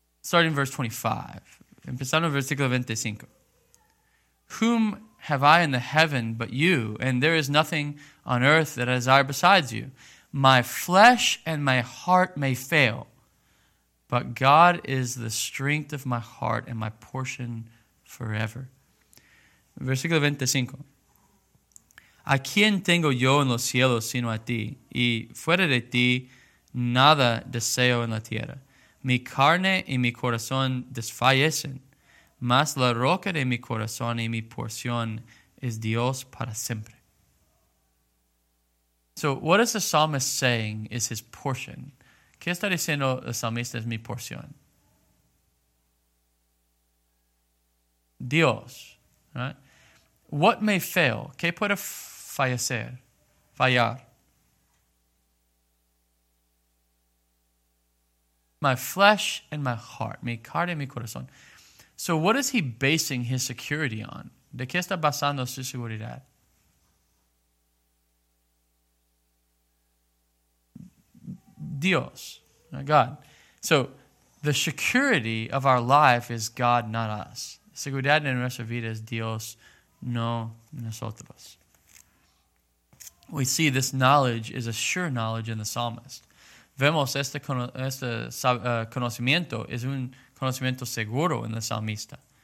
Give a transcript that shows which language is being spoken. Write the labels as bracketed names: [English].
[English] Whom have I in the heaven but you, and there is nothing on earth that I desire besides you. My flesh and my heart may fail, but God is the strength of my heart and my portion forever. [Spanish] Versículo 25. ¿A quién tengo yo en los cielos sino a ti? Y fuera de ti, nada deseo en la tierra. Mi carne y mi corazón desfallecen, mas la roca de mi corazón y mi porción es Dios para siempre. [English] So, what is the psalmist saying is his portion? [Spanish] ¿Qué está diciendo el salmista es mi porción? [English] Dios, right? What may fail? [Spanish] ¿Qué puede fallecer, fallar? [English] My flesh and my heart, [Spanish] mi carne y mi corazón. [English] So what is he basing his security on? [Spanish] ¿De qué está basando su seguridad? [English] Dios, God. So the security of our life is God, not us. [Spanish] Seguridad en nuestra vida es Dios, no nosotros. [English] We see this knowledge is a sure knowledge in the psalmist. [Spanish] Vemos conocimiento es un conocimiento seguro en el salmista.